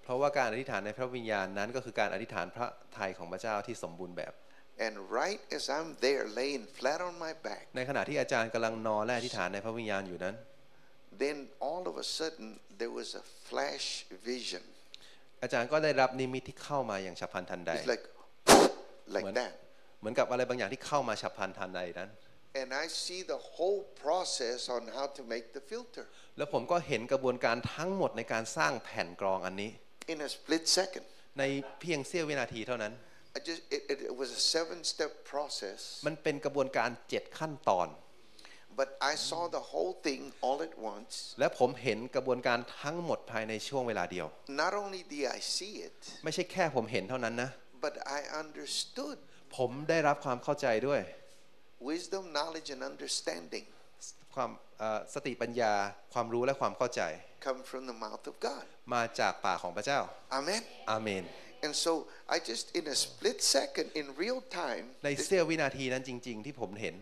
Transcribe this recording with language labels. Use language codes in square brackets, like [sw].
[th] เพราะว่าการอธิษฐานในพระวิญญาณนั้นก็คือการอธิษฐานพระทัยของพระเจ้าที่สมบูรณ์แบบ [en] And right as I'm there, laying flat on my back. [th] ในขณะที่อาจารย์กำลังนอนและอธิษฐานในพระวิญญาณอยู่นั้น [en] Then all of a sudden there was a flash vision. [th] อาจารย์ก็ได้รับนิมิตที่เข้ามาอย่างฉับพลันทันใด [en] It's like that. [th] เหมือนกับอะไรบางอย่างที่เข้ามาฉับพลันทันใดนั้น [en] And I see the whole process on how to make the filter. [th] แล้วผมก็เห็นกระบวนการทั้งหมดในการสร้างแผ่นกรองอันนี้ [en] In a split second. [th] ในเพียงเสี้ยววินาทีเท่านั้น [en] It was a 7-step process. [th] มันเป็นกระบวนการ7ขั้นตอน [en] But I saw the whole thing all at once. [th] และผมเห็นกระบวนการทั้งหมดภายในช่วงเวลาเดียว [en] Not only did I see it. [th] ไม่ใช่แค่ผมเห็นเท่านั้นนะ [en] But I understood. [th] ผมได้รับความเข้าใจด้วย [en] Wisdom, knowledge, and understanding. [th] ความสติปัญญาความรู้และความเข้าใจ [en] Come from the mouth of God. [th] มาจากปากของพระเจ้า Amen. Amen. [en] And so I just in a split second in real time [th] ในเสี้ยววินาทีนั้นจริงๆที่ผมเห็น